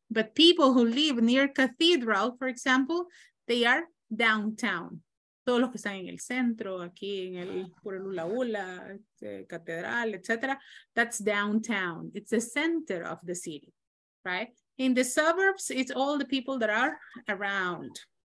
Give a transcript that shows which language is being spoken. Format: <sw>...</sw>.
<en>But people who live near Cathedral, for example, they are downtown.</en> <es>Todos los que están en el centro, aquí en el por el Ula Ula, Catedral, etc.</es> <en>That's downtown. It's the center of the city, right? In the suburbs, it's all the people that are around.</en>